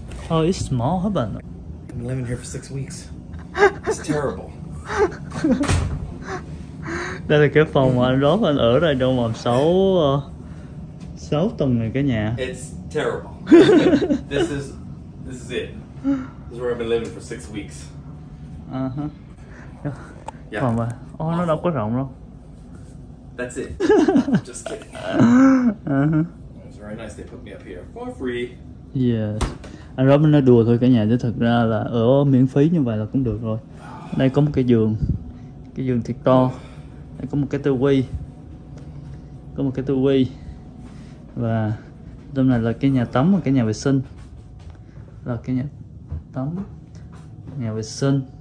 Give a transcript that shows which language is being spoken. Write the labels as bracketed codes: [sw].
[en] Oh, it's small, how about that? I've been living here for 6 weeks. It's terrible. [vi] Đây là cái phòng mà anh Rob anh ở đây trong vòng 6 6 tuần rồi cả nhà. [en] It's terrible. This is it. This is where I've been living for 6 weeks. [vi] Uh-huh. Phòng yeah. Mà nó đâu có rộng đâu. [en] That's it. Just kidding. Uh-huh. It was very nice they put me up here for free. Yes. [vi] Anh Rob nói đùa thôi cả nhà, chứ thật ra là ở miễn phí như vậy là cũng được rồi. Đây có một cái giường. Cái giường thiệt to. Có một cái tivi. Có một cái tivi. Và tâm này là cái nhà tắm và cái nhà vệ sinh. Là cái nhà tắm, nhà vệ sinh.